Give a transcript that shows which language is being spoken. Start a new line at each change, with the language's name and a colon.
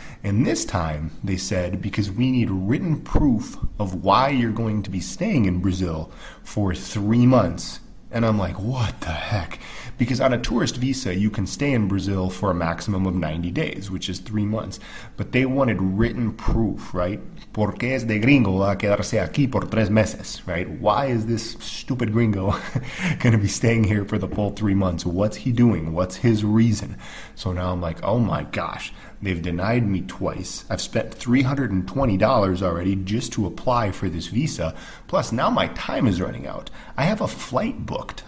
English: And this time, they said, because we need written proof of why you're going to be staying in Brazil for 3 months. And I'm like, what the heck? Because on a tourist visa, you can stay in Brazil for a maximum of 90 days, which is 3 months. But they wanted written proof, right?
Spanish: Porque es de gringo a quedarse aquí por tres meses,
English: right? Why is this stupid gringo going to be staying here for the full 3 months? What's he doing? What's his reason? So now I'm like, oh my gosh, they've denied me twice. I've spent $320 already just to apply for this visa. Plus, now my time is running out. I have a flight booked.